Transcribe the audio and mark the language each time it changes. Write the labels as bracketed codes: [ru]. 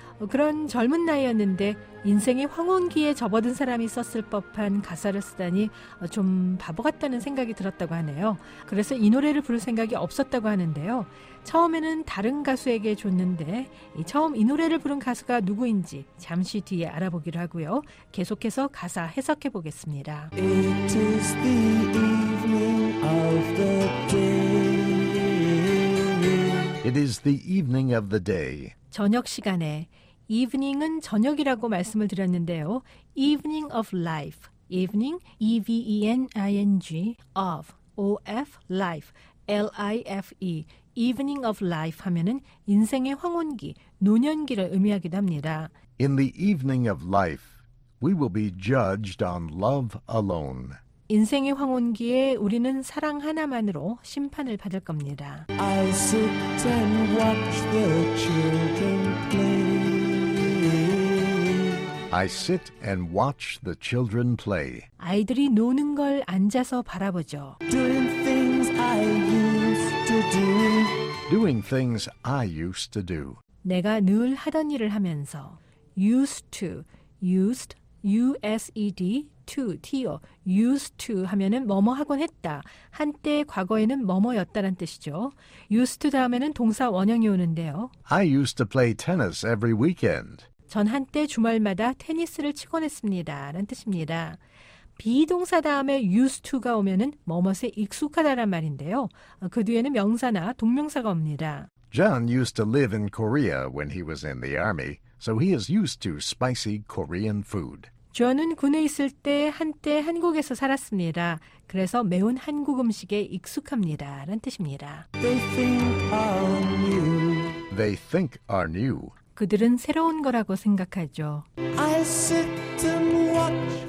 [ko] 그런 젊은 나이였는데 인생의 황혼기에 접어든 사람이 썼을 법한 가사를 쓰다니 좀 바보 같다는 생각이 들었다고 하네요. 그래서 이 노래를 부를 생각이 없었다고 하는데요. 처음에는 다른 가수에게 줬는데 처음 이 노래를 부른 가수가 누구인지 잠시 뒤에 알아보기로 하고요. 계속해서 가사 해석해 보겠습니다. [en] It is the evening of the day. It is the evening of the day. [ko] 저녁 시간에 evening은 저녁이라고 말씀을 드렸는데요. [en] evening of life. evening evening of of life life. evening of life [ko] 하면은 인생의 황혼기, 노년기를 의미하기도 합니다. [en] In the evening of life, we will be judged on love alone. [ko] 인생의 황혼기에 우리는 사랑 하나만으로 심판을 받을 겁니다. [en] I sit and watch the children play. I sit and watch the children play. [ko] 아이들이 노는 걸 앉아서 바라보죠. [en] Doing things I used to do. Doing things I used to do. [ko] 내가 늘 하던 일을 하면서 used to, used, U-S-E-D, to, T-O, used to 하면은 뭐뭐 하곤 했다. 한때 과거에는 뭐뭐였다란 뜻이죠. used to 다음에는 동사 원형이 오는데요. [en] I used to play tennis every weekend. [ko] 전 한때 주말마다 테니스를 치곤 했습니다. 라는 뜻입니다. 비동사 다음에 used to가 오면은 뭐뭐에 익숙하다란 말인데요. 그 뒤에는 명사나 동명사가 옵니다. [en] John used to live in Korea when he was in the army. So he is used to spicy Korean food. [ko] 저는 군에 있을 때 한때 한국에서 살았습니다. 그래서 매운 한국 음식에 익숙합니다. 라는 뜻입니다. [en] They think are new. They think are new. [ko] 그들은 새로운 거라고 생각하죠. [en] I sit and watch.